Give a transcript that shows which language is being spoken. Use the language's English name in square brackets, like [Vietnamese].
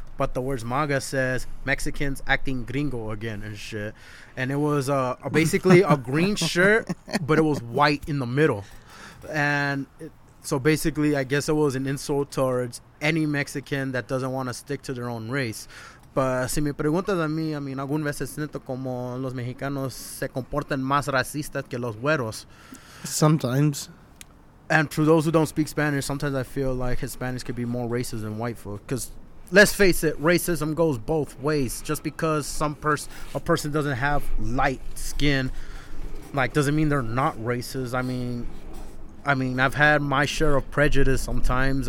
[English] But the words MAGA says Mexicans acting gringo again and shit. And it was basically a green shirt, but it was white in the middle. And... So basically, I guess it was an insult towards any Mexican that doesn't want to stick to their own race. But [Spanish] si me preguntas a mí, [English] I mean, [Spanish] algunas veces siento como los mexicanos se comportan más racistas que los güeros. [English] Sometimes. And to those who don't speak Spanish, sometimes I feel like Hispanics could be more racist than white folk. Because let's face it, racism goes both ways. Just because a person doesn't have light skin, like, doesn't mean they're not racist. I mean, I've had my share of prejudice sometimes.